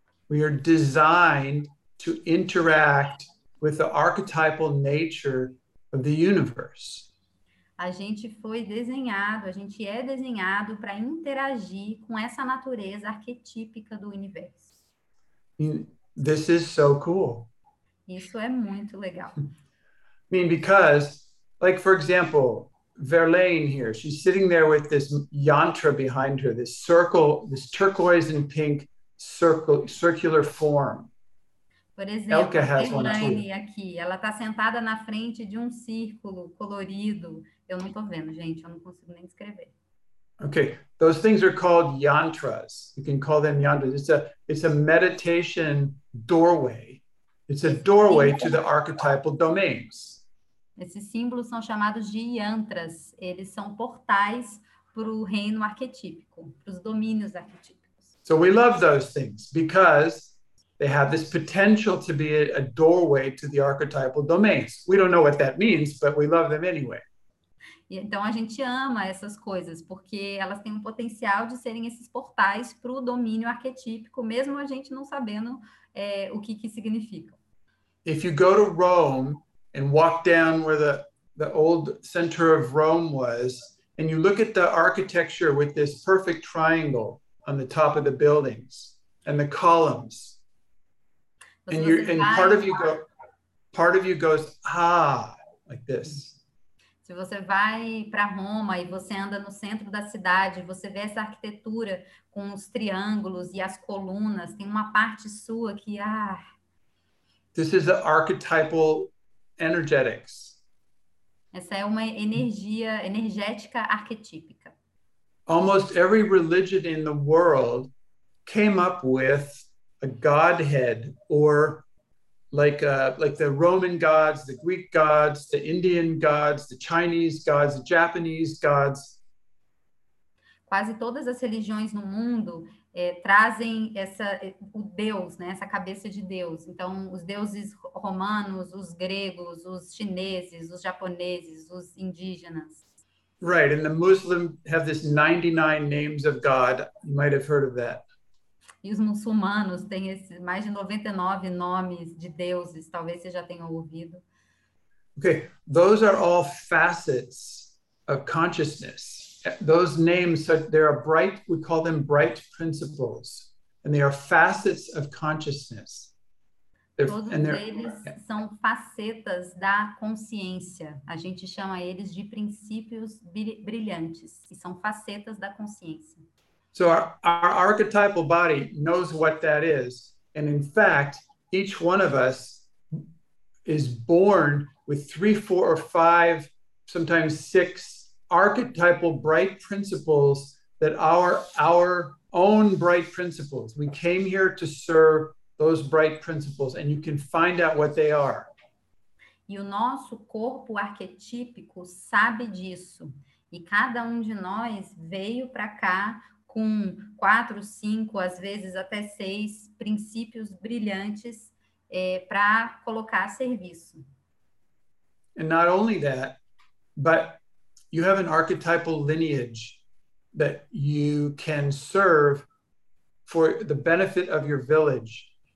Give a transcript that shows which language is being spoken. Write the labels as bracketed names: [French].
[English] We are designed to interact with the archetypal nature of the universe. [Portuguese] A gente foi desenhado, a gente é desenhado para interagir com essa natureza arquetípica do universo. [English] This is so cool. [Portuguese] Isso é muito legal. [English] I mean, because, like, for example, Verlaine here, she's sitting there with this yantra behind her, this circle, this turquoise and pink circular form. [Portuguese] Por exemplo, [English] Elke has Verlaine one too. [Portuguese] Aqui, ela está sentada na frente de um círculo colorido. Eu não estou vendo, gente, eu não consigo nem escrever. [English] Okay, those things are called yantras. You can call them yantras. It's a meditation doorway. It's a doorway to the archetypal domains. [Portuguese] Esses símbolos são chamados de yantras. Eles são portais para o reino arquetípico, para os domínios arquetípicos. [English] So we love those things because They have this potential to be a doorway to the archetypal domains. We don't know what that means, but we love them anyway. [Portuguese] Então, a gente ama essas coisas, porque elas têm um potencial de serem esses portais para o domínio arquetípico, mesmo a gente não sabendo o que que significam. [English] If you go to Rome and walk down where the old center of Rome was, and you look at the architecture with this perfect triangle on the top of the buildings and the columns, and part of you goes, ah, like this. [Portuguese] Se você vai para Roma e você anda no centro da cidade, você vê essa arquitetura com os triângulos e as colunas, tem uma parte sua que, ah. [English] This is the archetypal energetics. [Portuguese] Essa é uma energia energética arquetípica. [English] Almost every religion in the world came up with a godhead or like the Roman gods, the Greek gods, the Indian gods, the Chinese gods, the Japanese gods. [Portuguese] Quase todas as religiões no mundo trazem essa o Deus, né, essa cabeça de Deus. Então, os deuses romanos, os gregos, os chineses, os japoneses, os indígenas. [English] Right, and the Muslims have this 99 names of God. You might have heard of that. [Portuguese] E os muçulmanos têm esse, mais de 99 nomes de deuses, talvez você já tenha ouvido. [English] Okay, those are all facets of consciousness. Those names, they are bright, we call them bright principles. And they are facets of consciousness. [Portuguese] Todos eles são facetas da consciência. A gente chama eles de princípios brilhantes. E são facetas da consciência. [English] So our archetypal body knows what that is. And in fact, each one of us is born with 3, 4, or 5, sometimes 6 archetypal bright principles that are our own bright principles. We came here to serve those bright principles and you can find out what they are. [Portuguese] E o nosso corpo arquetípico sabe disso. E cada de nós veio para cá com 4, 5, às vezes até 6 princípios brilhantes para colocar a serviço. [English] And not only that, but you have an archetypal lineage that you can serve for the benefit of your village.